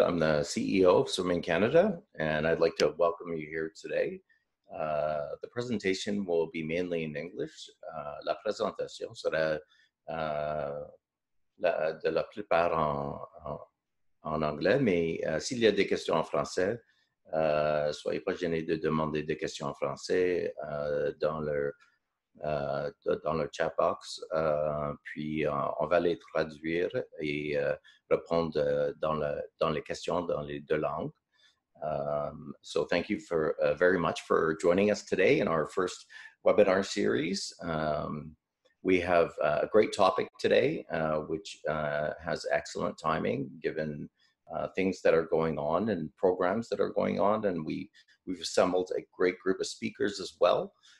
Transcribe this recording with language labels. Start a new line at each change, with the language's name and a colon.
English: I'm the CEO of Swimming Canada, and I'd like to welcome you here today. The presentation will be mainly in English.
French: La présentation sera de la plupart en anglais, mais s'il y a des questions en français, soyez pas gênés de demander des questions en français dans le chat box, puis on va les traduire et répondre dans les questions dans les deux langues.
English: So thank you for very much for joining us today in our first webinar series. We have a great topic today, which has excellent timing given things that are going on and programs that are going on, and we've assembled a great group of speakers as well.